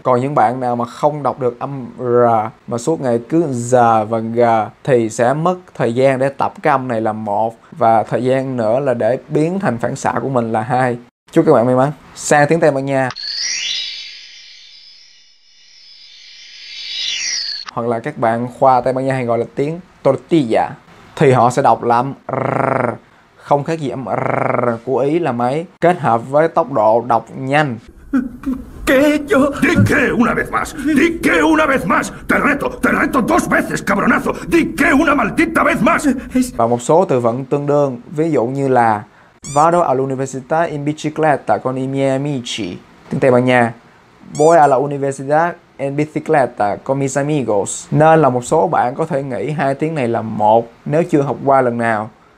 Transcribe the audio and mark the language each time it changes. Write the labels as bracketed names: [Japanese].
[Vietnamese] Còn những bạn nào mà không đọc được âm R mà suốt ngày cứ G và G thì sẽ mất thời gian để tập cái âm này là một, và thời gian nữa là để biến thành phản xạ của mình là hai. Chúc các bạn may mắn. Sang tiếng Tây Ban Nha. Hoặc là các bạn khoa Tây Ban Nha hay gọi là tiếng Tortilla. Thì họ sẽ đọc là R, không khác gì âm r của Ý là mấy, kết hợp với tốc độ đọc nhanh. [Spanish] Dije una vez más, dije una vez más, te reto dos veces, cabronazo, dije una maldita vez más. [Vietnamese] Và một số từ vựng tương đương, ví dụ như là [Italian] vado all'università in bicicletta con i miei amici, [Vietnamese] tiếng Tây Ban Nha, [Spanish] voy a la universidad en bicicleta con mis amigos. [Vietnamese] Nên là một số bạn có thể nghĩ hai tiếng này là một nếu chưa học qua lần nào.